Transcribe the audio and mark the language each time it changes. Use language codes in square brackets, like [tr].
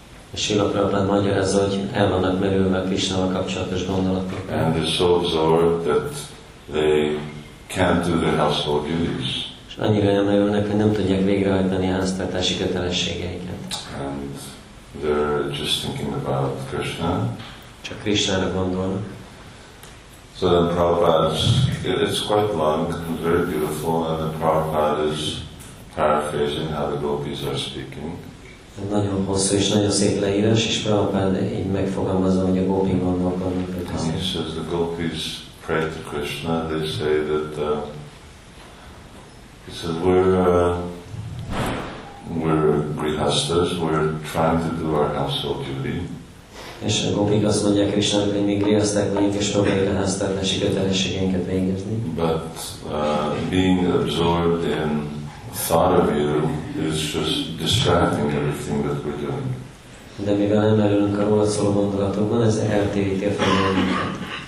[hu] És Srila Prabhupád magyarázza, hogy el vannak merülve Krishnával kapcsolatos gondolatok. [en] And they're so absorbed that they can't do their household duties. [hu] És annyira elmerülnek, hogy nem tudják végrehajtani a háztartási kötelességeiket. [en] And they're just thinking about Krishna. [hu] Csak Krishnára gondolnak. [en] So then Prabhupada, it's quite long and very beautiful, and the Prabhupada is paraphrasing how the gopis are speaking. [hu] Nagyon hosszú és nagyon szép leírás, és Prabhupada így megfogalmazza, hogy a gopi gondolkodnak. [en] He says the gopis pray to Krishna, they say that, he says, we're grihasthas, we're trying to do our household duty. [hu] És a gopik azt mondják Krishna, hogy még grihaszták vagyunk, és próbáljuk a háztartási kötelességeinket végezni. [en] But being absorbed in thought of you is just distracting everything that we're doing. [hu] De mivel elmerülünk a rólad szóló gondolatokban, ez eltéríti a figyelmünket.